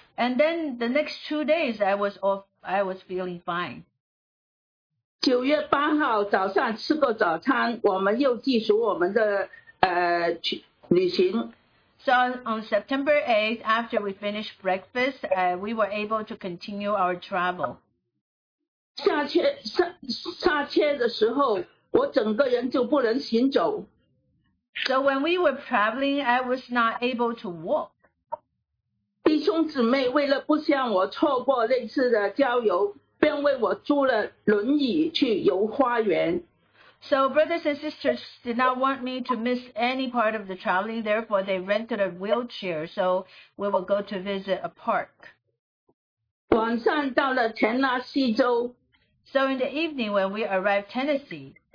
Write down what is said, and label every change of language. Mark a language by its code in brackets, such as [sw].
[en] And then the next 2 days, I was feeling fine. [zh] 9月8号早上吃过早餐, 我们又继续我们的旅行。 [en] So on September 8th, after we finished breakfast, we were able to continue our travel. [zh] 下车的时候, 我整个人就不能行走。 [en] So when we were traveling, I was not able to walk. [zh] 弟兄姊妹为了不向我错过类似的郊游, 便为我租了轮椅去游花园。 [en] So brothers and sisters did not want me to miss any part of the traveling, therefore they rented a wheelchair, so we will go to visit a park. [zh] 晚上到了田纳西州, [en] so in the evening when we arrived Tennessee,